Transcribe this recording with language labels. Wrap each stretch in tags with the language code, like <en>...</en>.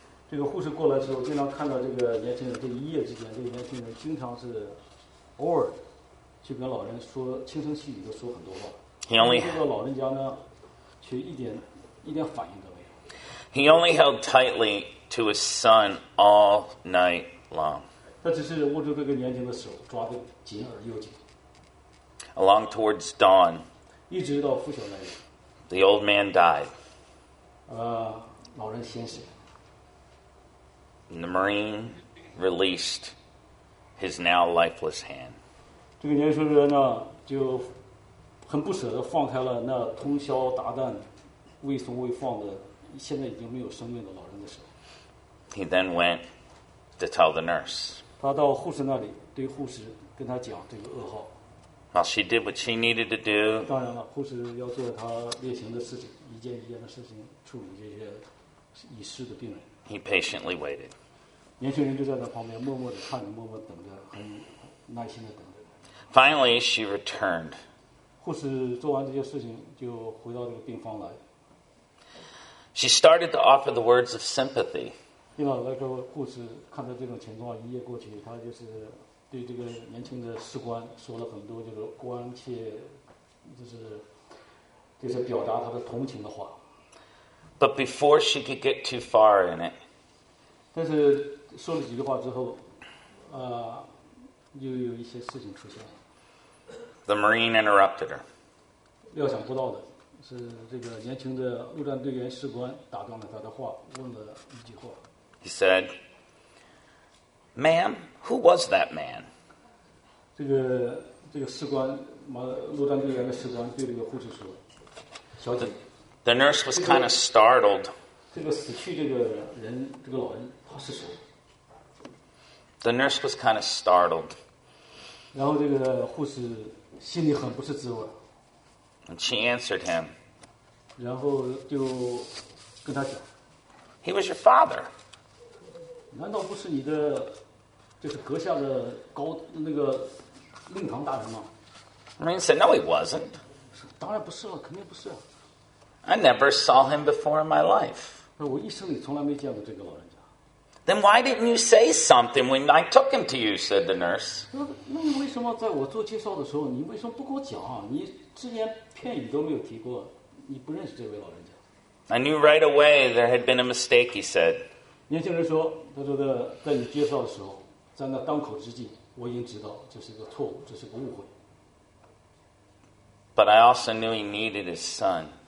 <zh>这个护士过来的时候，经常看到这个年轻人，这一夜之间，这个年轻人经常是偶尔去跟老人说轻声细语的说很多话。</zh> <en>He only</en> <zh>这个老人家呢，却一点反应都没有。</zh> <en>He only held tightly to his son all night long.</en> <zh>他只是握住这个年轻的手，抓得紧而又紧。</zh> <en>Along towards dawn,</en> <zh>一直到拂晓那里</zh> <en>，the old man died.</en> <zh>老人先死。</zh> <en>And the Marine released his now lifeless hand.</en> <zh>这个年轻人呢，就很不舍得放开了那通宵达旦、未松未放的，现在已经没有生命的老人的手。</zh> <en>He then went to tell the nurse.</en> <zh>他到护士那里，对护士跟他讲这个噩耗。</zh> <en>Well, she did what she needed to do.</en> <zh>当然了，护士要做他例行的事情，一件一件的事情，处理这些已逝的病人。</zh> <en>He patiently waited.</en> <zh>年轻人就在他旁边默默地看着，默默等着，很耐心地等着。</zh> <en>Finally, she returned.</en> <zh>护士做完这些事情，就回到这个病房来。</zh> <en>She started to offer the words of sympathy.</en> <zh>另外，那个护士看到这种情况，一夜过去，他就是对这个年轻的士官说了很多这个关切，就是表达他的同情的话。</zh> <en>But before she could get too far in it,</en> <zh>但是说了几句话之后，又有一些事情出现了。</zh> <en>The Marine interrupted her.</en> <zh>料想不到的是，这个年轻的陆战队员士官打断了他的话，问了一句话。</zh> <en>He said, "Ma'am, who was that man?"</en> <zh>这个士官，陆战队员的士官对这个护士说，小姐。</zh> <en>The nurse was kind of startled.</en> <zh>这个老人他是谁?</zh> <en>The nurse was kind of startled.</en> <zh>然后这个护士心里很不是滋味。</zh> <en>And she answered him.</en> <zh>然后就跟他讲。</zh> <en>He was your father.</en> <zh>难道不是你的就是阁下的高那个令堂大人吗?</zh> <en>Marine said, no, he wasn't.</en> <zh>当然不是了，肯定不是了。</zh> <en>I never saw him before in my life.</en> <zh>我一生里从来没见过这个老人家。</zh> <en>Then why didn't you say something when I took him to you? Said the nurse.</en> <zh>那你为什么在我做介绍的时候，你为什么不跟我讲？你之前片语都没有提过，你不认识这位老人家。</zh> <en>I knew right away there had been a mistake. He said.</en> <zh>年轻人说，他说在你介绍的时候，在那当口之际，我已经知道这是一个错误，这是个误会。</zh> <en>But I also knew he needed his son.</en>